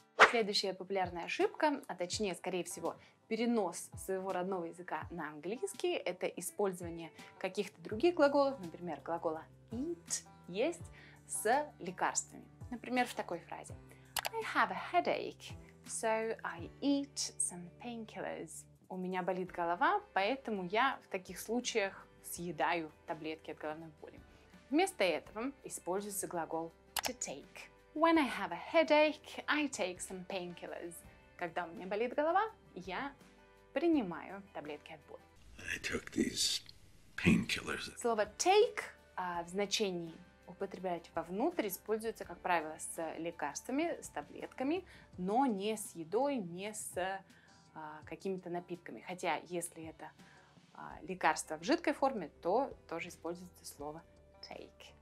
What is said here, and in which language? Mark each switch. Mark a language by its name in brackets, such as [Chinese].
[Russian] Следующая популярная ошибка, а точнее, скорее всего, перенос своего родного языка на английский – это использование каких-то других глаголов, например, глагола eat, есть, с лекарствами. Например, в такой фразе. [English] I have a headache, so I eat some painkillers. [Russian] У меня болит голова, поэтому я в таких случаях съедаю таблетки от головной боли. Вместо этого используется глагол to take. [English] When I have a headache, I take some painkillers. [Russian] Когда у меня болит голова, я принимаю таблетки от боли. [English] I took these painkillers. [Russian] Слово take в значении употреблять вовнутрь используется, как правило, с лекарствами, с таблетками, но не с едой, не с какими-то напитками. Хотя, если это лекарство в жидкой форме, то тоже используется слово take.